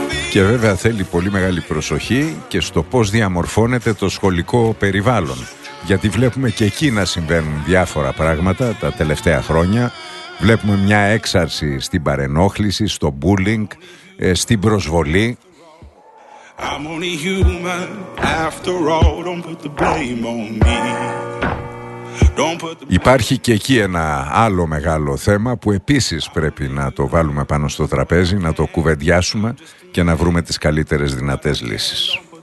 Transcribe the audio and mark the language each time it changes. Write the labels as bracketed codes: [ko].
[el] Και βέβαια θέλει πολύ μεγάλη προσοχή και στο πώς διαμορφώνεται το σχολικό περιβάλλον. Γιατί βλέπουμε και εκεί να συμβαίνουν διάφορα πράγματα τα τελευταία χρόνια. Βλέπουμε μια έξαρση στην παρενόχληση, στο bullying, στην προσβολή. [en] I'm only human after all, don't put the blame on me. [el] Υπάρχει και εκεί ένα άλλο μεγάλο θέμα που επίσης πρέπει να το βάλουμε πάνω στο τραπέζι, να το κουβεντιάσουμε και να βρούμε τις καλύτερες δυνατές λύσεις.